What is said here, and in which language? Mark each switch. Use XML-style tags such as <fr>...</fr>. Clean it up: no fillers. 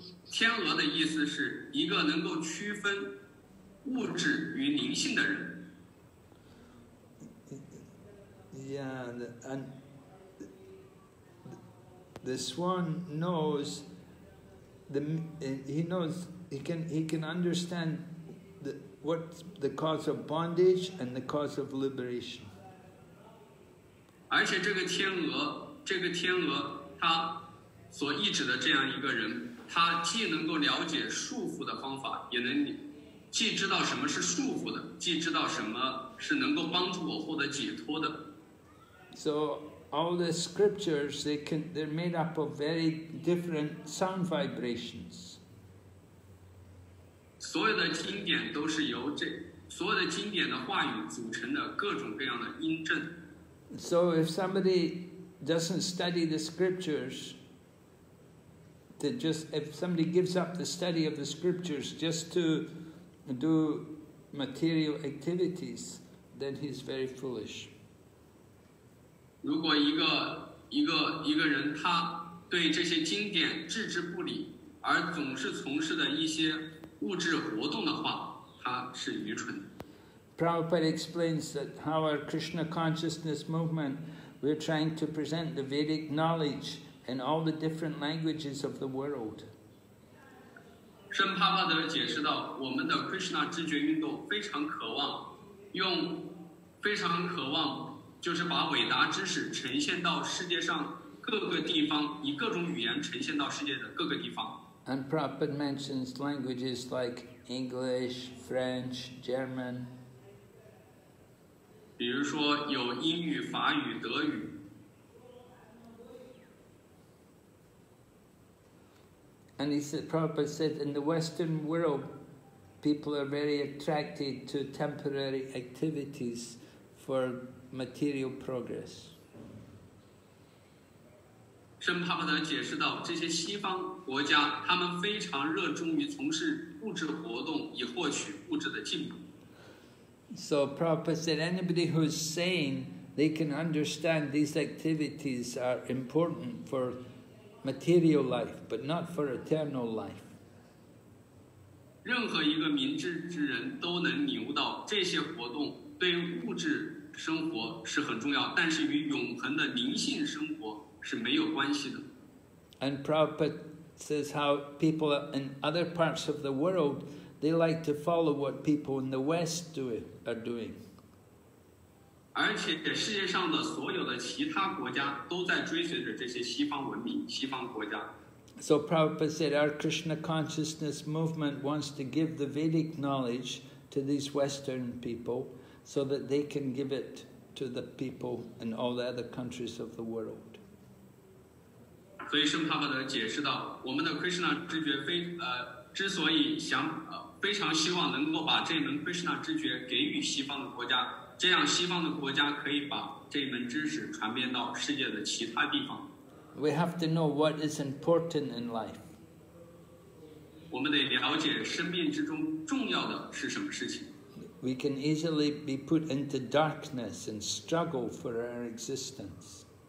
<zh>天鹅的意思是一个能够区分物质与灵性的人。</zh> <en>Yeah, and the swan knows he can understand what's the cause of bondage and the cause of liberation.</en> <zh>而且这个天鹅它所意指的这样一个人，他既能够了解束缚的方法，也能既知道什么是束缚的，既知道什么是能够帮助我获得解脱的。</zh> <en>So all the scriptures, they're made up of very different sound vibrations.</en> <zh>所有的经典都是由这所有的经典的话语组成的各种各样的音阵。</zh> <en>So if somebody doesn't study the scriptures,that just if somebody gives up the study of the scriptures just to do material activities, then he's very foolish.</en> <zh>如果一个人他对这些经典置之不理，而总是从事的一些物质活动的话，他是愚蠢的。</zh> <en>Prabhupada explains that how our Krishna consciousness movement, we're trying to present the Vedic knowledge. In all the different languages of the world.</en> <zh>Shrim Prabhupada 解释到，我们的 Krishna 知觉运动非常渴望，就是把伟达知识呈现到世界上各个地方，以各种语言呈现到世界的各个地方。</zh> <en>And Prabhupada mentions languages like English, French, German.</en> <zh>比如说有英语、法语、德语。</zh> <en>And he said, Prabhupada said, in the Western world, people are very attracted to temporary activities for material progress.</en> <zh>Shrim Prabhupada 解释到，这些西方国家，他们非常热衷于从事物质活动，以获取物质的进步。</zh> <en>So Prabhupada said, anybody who's sane, they can understand these activities are important for. Material life, but not for eternal life.</en> <zh>任何一个明智之人都能领悟到这些活动对物质生活是很重要，但是与永恒的灵性生活是没有关系的。</zh> <en>And Prabhupada says how people in other parts of the world, they like to follow what people in the West are doing.</en> <zh>而且世界上的所有的其他国家都在追随着这些西方文明、西方国家。</zh> <en>So Prabhupada said, our Krishna consciousness movement wants to give the Vedic knowledge to these Western people so that they can give it to the people in all the other countries of the world.</en> <zh>所以圣帕帕德解释到，我们的 Krishna 知觉之所以想非常希望能够把这门 Krishna 知觉给予西方的国家。这样西方的国家可以把这门知识传遍到世界的其他地方。</zh> <en>We have to know what is important in life.</en> <zh>我们得了解生命之中重要的是什么事情。</zh> <en>We can easily be put into darkness and struggle for our existence.</en>